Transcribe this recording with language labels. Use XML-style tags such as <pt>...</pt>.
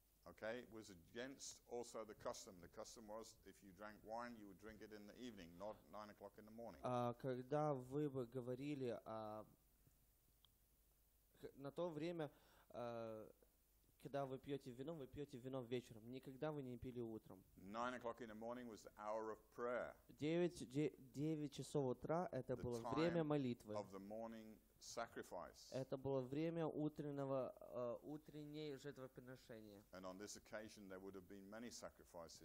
<en>Okay, it was against also the custom. The custom was, if you drank wine, you would drink it in the evening, not 9 o'clock in the morning.</en> <ru>Когда вы бы говорили на то время, когда вы пьете вино вечером. Никогда вы не пили утром.</ru> <en>9 o'clock in the morning was the hour of prayer.</en> <ru>9 часов утра это было время молитвы.</ru> <en>Of the morning sacrifice.</en> <ru>Это было время утреннего жертвоприношения.</ru> <en>And on this occasion there would have been many sacrifices.</en>